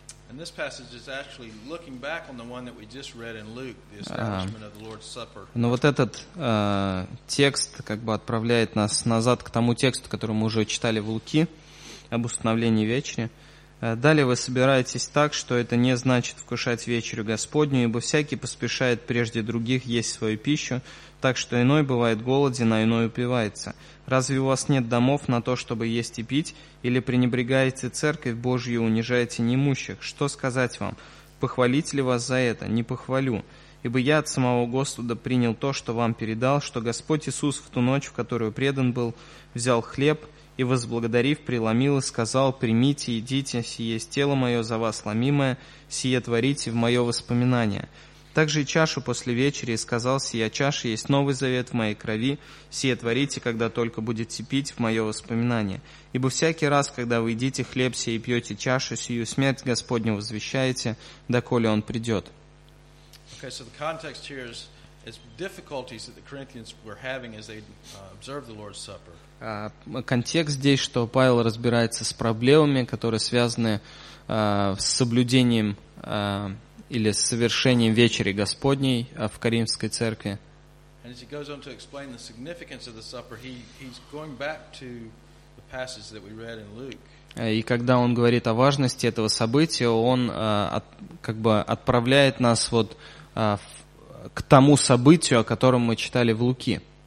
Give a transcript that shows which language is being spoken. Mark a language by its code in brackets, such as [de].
[en] And this passage is actually looking back on the one that we just read in Luke, the establishment of the Lord's Supper. [ru] Но вот этот текст как бы отправляет нас назад к тому тексту, который мы уже читали в Луки, об установлении вечери. Далее вы собираетесь так, что это не значит вкушать вечерю Господню, ибо всякий поспешает прежде других есть свою пищу, так что иной бывает голоден, а иной упивается. Разве у вас нет домов на то, чтобы есть и пить, или пренебрегаете церковь Божью и унижаете неимущих? Что сказать вам? Похвалить ли вас за это? Не похвалю. Ибо я от самого Господа принял то, что вам передал, что Господь Иисус в ту ночь, в которую предан был, взял хлеб и, возблагодарив, преломил и сказал: «Примите, едите, сие есть тело мое за вас ломимое, сие творите в мое воспоминание». также и чашу после вечери, и сказал: «Сия чаша есть новый завет в моей крови, сие творите, когда только будете пить, в мое воспоминание. Ибо всякий раз, когда вы едите хлеб сей и пьете чашу сию, смерть Господню возвещаете, доколе он придет». [en] Okay, so the context here is difficulties that the Corinthians were having as they observed the Lord's Supper. [ru] Контекст здесь, что Павел разбирается с проблемами, которые связаны с соблюдением или с совершением вечери Господней в Коринфской церкви. [en] And as he goes on to explain the significance of the supper, he's going back to the passage that we read in Luke. [ru] И когда он говорит о важности этого события, он как бы отправляет нас вот к тому событию, о котором мы читали в Луки.